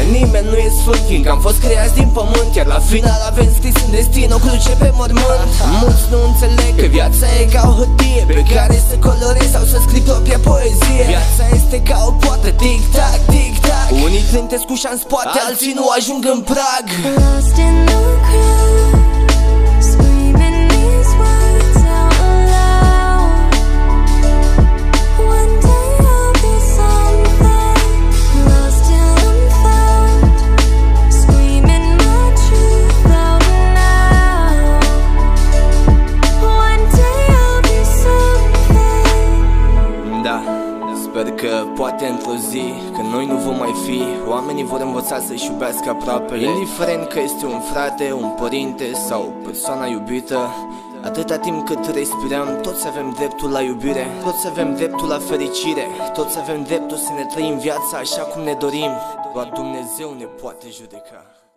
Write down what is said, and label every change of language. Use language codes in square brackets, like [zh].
[ro] Nimeni nu e sfânt, fiindcă am fost creați din pământ, iar la final avem scris în destin o cruce pe mormânt. Mulți nu înțeleg că viața e ca o hârtie pe care să colorezi sau să scrii propria poezie. Viața este ca o poartă, tic-tac, tic-tac. Unii trântesc ușa în spate, alții nu ajung în prag. [en] Lost in the crowd, screaming these words out loud. One day I'll be something. Lost till I'm found, screaming my truth out loud. One day I'll be something. [ro] Da, sper că poate într-o zi, când noi nu vom mai fi, oamenii vor învăța să-și iubească aproape. Indiferent că este un frate, un părinte sau persoana iubită, atâta timp cât respirăm, toți avem dreptul la iubire, toți avem dreptul la fericire, toți avem dreptul să ne trăim viața așa cum ne dorim. Doar Dumnezeu ne poate judeca.